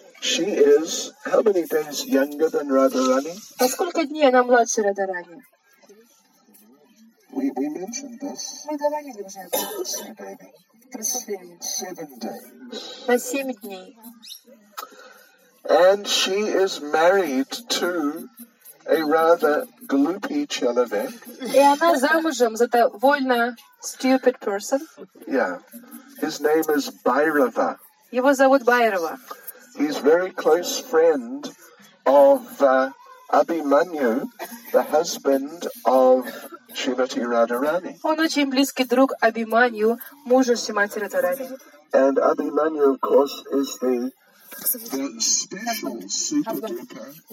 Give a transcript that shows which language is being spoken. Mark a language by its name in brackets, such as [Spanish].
[English] She is how many days younger than Radharani? [Russian] А сколько дней она младше Радарани? [English] We mentioned this. [Russian] Мы говорили уже об этом. На 7 дней. [English] And she is married to a rather gloopy [Russian] человек. И она замужем за довольно [English] stupid person. Yeah. His name is Bhairava. [Russian] Его зовут Байрова. [English] He's very close friend of Abhimanyu, the husband of Shrimati Radharani. [Russian] Он очень близкий друг Абиманью, мужа Шримати Радарани. [English] And Abhimanyu, of course, is the special super-duper